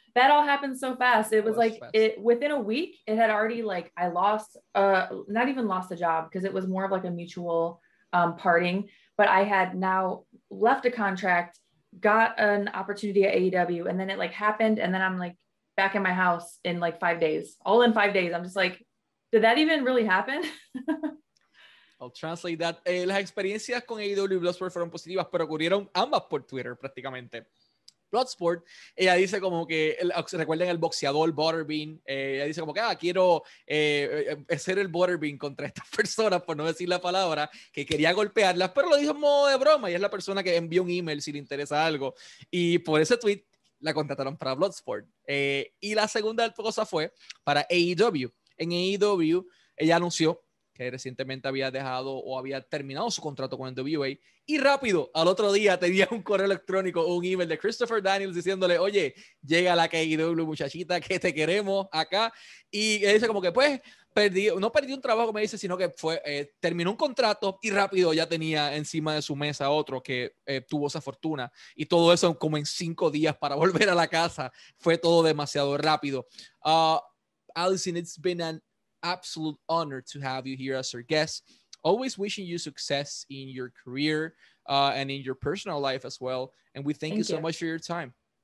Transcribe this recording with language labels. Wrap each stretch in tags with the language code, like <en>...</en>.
<en>That all happened so fast. It was like it within a week, it had already like, I lost, not even lost a job, because it was more of like a mutual parting, but I had now left a contract, got an opportunity at AEW, and then it like happened. And then I'm like back in my house in like 5 days, all in 5 days. I'm just like, did that even really happen? I'll translate that.</en> <es>Las experiencias con AEW y Bloodsport fueron positivas, pero ocurrieron ambas por Twitter prácticamente. Bloodsport, ella dice como que, recuerden el boxeador Butterbean, ella dice como que, quiero ser el Butterbean contra estas personas, por no decir la palabra, que quería golpearlas, pero lo dijo en modo de broma, y es la persona que envió un email si le interesa algo. Y por ese tweet la contrataron para Bloodsport. Y la segunda cosa fue para AEW. En AEW, ella anunció que recientemente había dejado o había terminado su contrato con NWA, y rápido, al otro día, tenía un correo electrónico o un email de Christopher Daniels diciéndole, oye, llega la AEW, muchachita, que te queremos acá. Y él dice como que, pues, no perdí un trabajo, me dice, sino que fue, terminó un contrato y rápido ya tenía encima de su mesa otro que tuvo esa fortuna. Y todo eso como en 5 días para volver a la casa. Fue todo demasiado rápido.</es> <en>Allysin, it's been an absolute honor to have you here as our guest. Always wishing you success in your career and in your personal life as well. And we thank you so much for your time.</en>